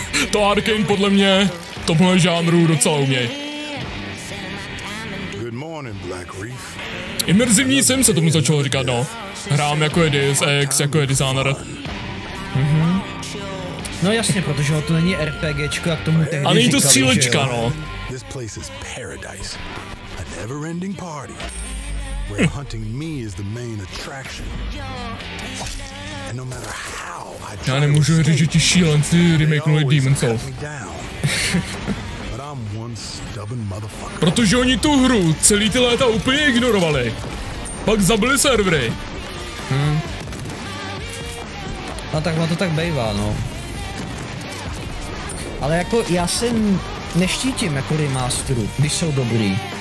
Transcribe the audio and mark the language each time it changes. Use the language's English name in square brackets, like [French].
[Czech] To Arkane podle mě tomhle žánru docela uměj. Immersivní sim se tomu začalo říkat, no. Hrám jako je Deus Ex, jako je designer. Mm-hmm. No jasně, protože to není RPGčko, jak tomu tehdy říkali, že jo. A není to střílečka, no. [English] This place is paradise. Never-ending party, where hunting me is the main attraction. And no matter how I try to escape, they always let me down. But I'm one stubborn motherfucker. [Czech] Protože oni tu hru celý ty léta úplně ignorovali. Pak zabili servery. No tak má to tak bejvá, no. Ale jako já se neštítím jako remasteru, když jsou dobrý.